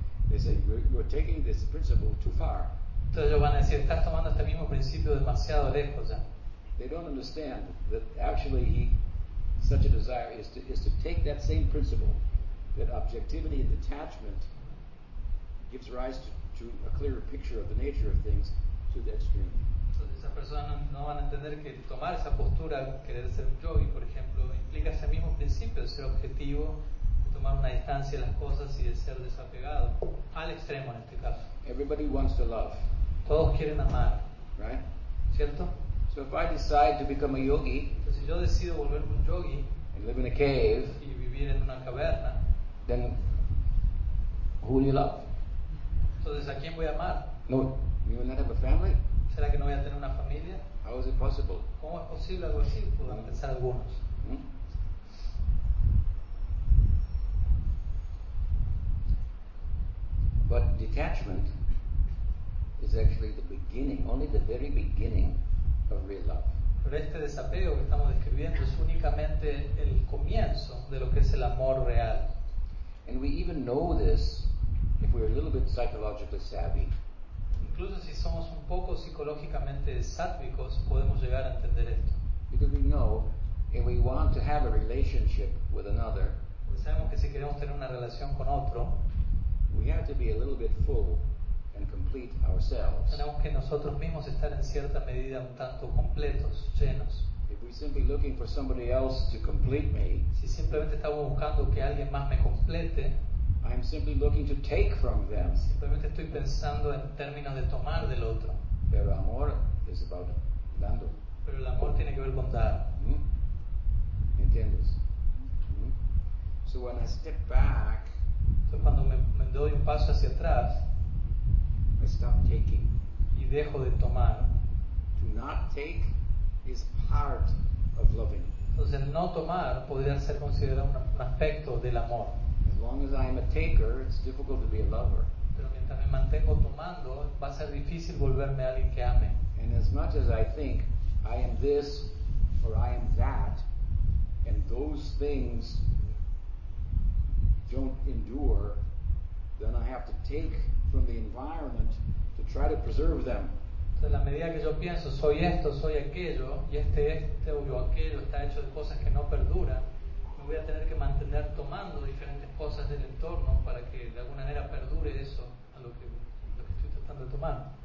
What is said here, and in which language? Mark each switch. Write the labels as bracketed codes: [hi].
[en] They say, you're taking this principle too far. [es] Entonces ellos van a decir, estás tomando este mismo principio demasiado lejos ya. [en] They don't understand that actually he, such a desire is to take that same principle, that objectivity and detachment gives rise to a clearer picture of the nature of things to the extreme. [es] Entonces esas personas no van a entender que tomar esa postura, querer ser un yogui, por ejemplo, implica ese mismo principio, ser objetivo, tomar una distancia de las cosas y de ser desapegado, al extremo en este caso. [en] Everybody wants to love. [es] Todos quieren amar. [en] Right? [es] ¿Cierto? [en] So if I decide to become a yogi, [es] entonces, si yo decido volverme un yogi, [en] and live in a cave, [es] y vivir en una caverna, [en] then who will you love? [es] Entonces, ¿a quién voy a amar? [en] No, you will not have a family? [es] ¿Será que no voy a tener una familia? [en] How is it possible? [es] ¿Cómo es posible algo así? Pueden pensar algunos. [en] But detachment is actually the beginning, only the very beginning of real love. [es] Pero este desapego que estamos describiendo es únicamente el comienzo de lo que es el amor real. [en] And we even know this if we're a little bit psychologically savvy. [es] Incluso si somos un poco psicológicamente sátvicos, podemos llegar a entender esto. [en] Because we know if we want to have a relationship with another, [es] pues sabemos que si queremos tener una relación con otro, [en] we have to be a little bit full and complete ourselves. [es] Tenemos que nosotros mismos estar en cierta medida un tanto completos, llenos. [en] If we're simply looking for somebody else to complete me, [es] si simplemente estamos buscando que alguien más me complete, [en] I'm simply looking to take from them. [es] Simplemente estoy pensando en términos de tomar del otro. Pero el amor es [en] about [es] dando. Pero el amor tiene que ver con dar. ¿Entiendes? [en] So when I step back, [es] cuando me doy un paso hacia atrás, [en] I stop taking. [es] Y dejo de tomar. [en] To not take is part of loving. [es] Entonces, el no tomar podría ser considerado un aspecto del amor. [en] As long as I am a taker, it's difficult to be a lover. [es] Pero mientras me mantengo tomando, va a ser difícil volverme a alguien que ame. [en] And as much as I think I am this or I am that, and those things don't endure, then I have to take from the environment to try to preserve them. [es] Entonces, la medida que yo pienso, soy esto, soy aquello, y este o yo aquello está hecho de cosas que no perduran, me voy a tener que mantener tomando diferentes cosas del entorno para que de alguna manera perdure eso a lo que estoy tratando de tomar.